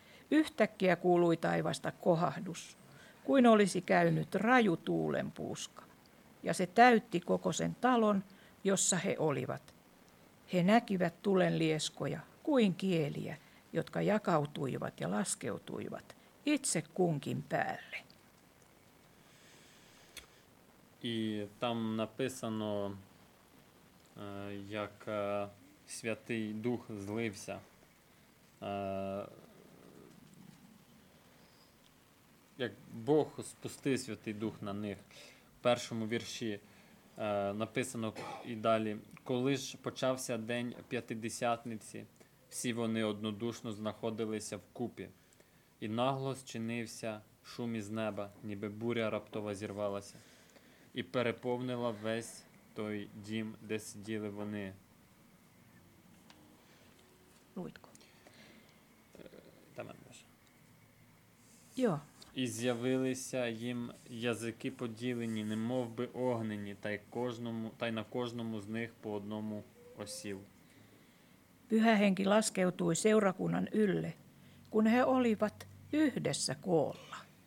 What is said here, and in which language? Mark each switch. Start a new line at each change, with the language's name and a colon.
Finnish: Yhtäkkiä kuului taivasta kohahdus, kuin olisi käynyt raju tuulenpuuska. Ja se täytti koko sen talon, jossa he olivat. He näkivät tulenlieskoja kuin kieliä, jotka jakautuivat ja laskeutuivat itse kunkin päälle.
Ukrainian: І там написано, як Святий Дух злився. Як Бог спустив Святий Дух на них. У першому вірші написано і далі. Коли ж почався день П'ятидесятниці, всі вони однодушно знаходилися вкупі. І нагло зчинився шум із неба, ніби буря раптово зірвалася. І переповнила весь той дім, де сиділи вони. Луїдко. Там я бачу. Йо. І з'явилися їм язики поділені, немов би огнені, та й на кожному з них по одному осів.
Finnish: Pyhä Henki laskeutui seurakunnan ylle, kun he olivat yhdessä koolla.